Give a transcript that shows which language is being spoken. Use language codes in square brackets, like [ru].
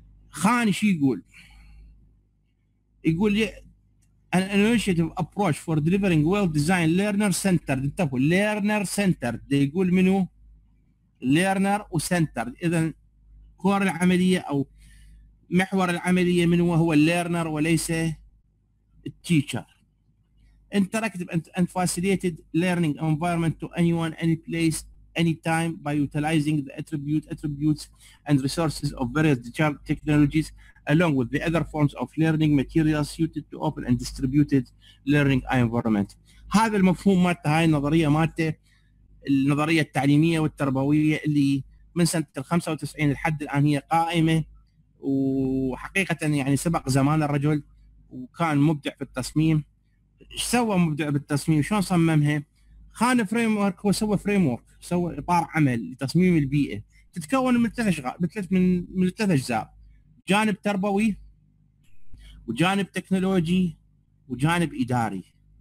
[ar] خان شي يقول [en] an initiative approach for delivering well designed learner centered، [ar] انتبهوا [en] learner centered، [ar] يقول منو learner و centered، اذا كور العملية او محور العملية منو هو learner وليس teacher. [en] interactive and facilitated learning environment to anyone any place anytime by utilizing the attributes and resources of various digital technologies along with the other forms of learning materials suited to open and distributed learning environment. [ar] هذا المفهوم مالته، هاي النظرية مالته، النظرية التعليمية والتربوية اللي من سنة 95 لحد الآن هي قائمة، وحقيقة يعني سبق زمان الرجل، وكان مبدع في التصميم. ايش سوى مبدع بالتصميم؟ شلون صممها؟ خان فريم ورك، هو سوى فريم ورك، سوى إطار عمل لتصميم البيئة تتكون من ثلاث أجزاء، جانب تربوي وجانب تكنولوجي وجانب إداري.